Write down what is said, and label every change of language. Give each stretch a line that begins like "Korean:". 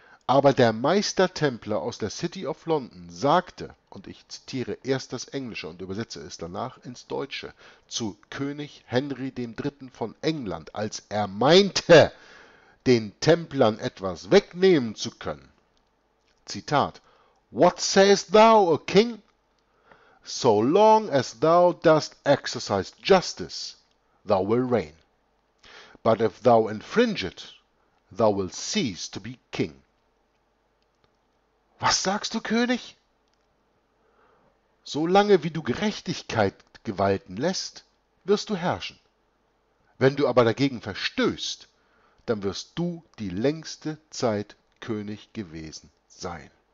German: Aber der Meistertempler aus der City of London sagte, und ich zitiere erst das Englische und übersetze es danach ins Deutsche, zu König Henry III. Von England, als er meinte, den Templern etwas wegnehmen zu können. Zitat:
English: What sayest thou, O King? So long as thou dost exercise justice, thou will reign. But if thou infringe it, thou will cease to be king.
German: Was sagst du, König? Solange wie du Gerechtigkeit gewalten lässt, wirst du herrschen. Wenn du aber dagegen verstößt, dann wirst du die längste Zeit König gewesen sein.